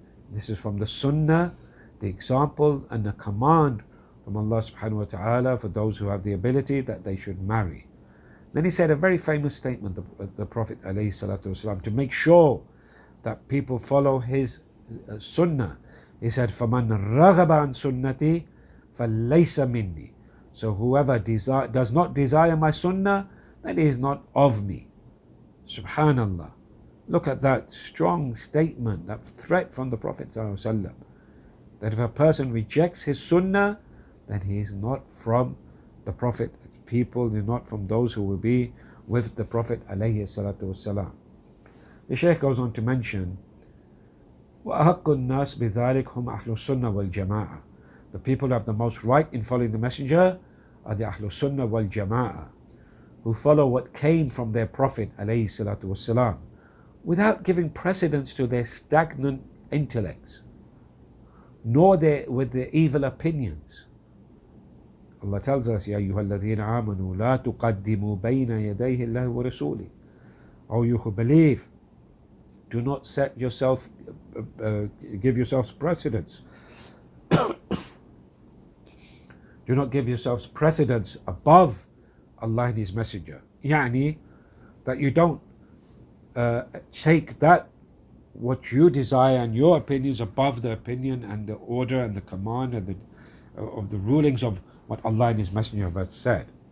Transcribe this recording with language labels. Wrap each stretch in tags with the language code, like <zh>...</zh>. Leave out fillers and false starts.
<en>This is from the sunnah, the example and the command from Allah subhanahu wa ta'ala for those who have the ability that they should marry. Then he said a very famous statement, the Prophet alayhi salatu wasalam, to make sure that people follow his sunnah. He said,</en> <ar>فَمَنْ رَغَبَ عَنْ سُنَّتِي فَلَيْسَ مِنِّي.</ar> <en>So whoever does not desire my sunnah, then he is not of me. Subhanallah. Look at that strong statement, that threat from the Prophet ﷺ, that if a person rejects his sunnah, then he is not from the Prophet people, he is not from those who will be with the Prophet ﷺ. The Shaykh goes on to mention,</en> <ar>وَأَحَقُّ النَّاسِ بِذَلِكْ هُمْ أَحْلُ السُنَّةِ وَالْجَمَاعَةِ.</ar> <en>The people who have the most right in following the Messenger are the Ahlu Sunnah wal Jama'ah, who follow what came from their Prophet ﷺ, without giving precedence to their stagnant intellects, nor with their evil opinions. Allah tells us,</en> <ar>يَا أَيُّهَا الَّذِينَ آمَنُوا لَا تُقَدِّمُوا بَيْنَ يَدَيْهِ اللَّهِ وَرَسُولِهِ.</ar> <en>O you who believe, do not set yourself, give yourselves precedence. Do not give yourselves precedence above Allah and His Messenger. يعني, that you don't take that what you desire and your opinions above the opinion and the order and the command and of the rulings of what Allah and His Messenger have said.</en>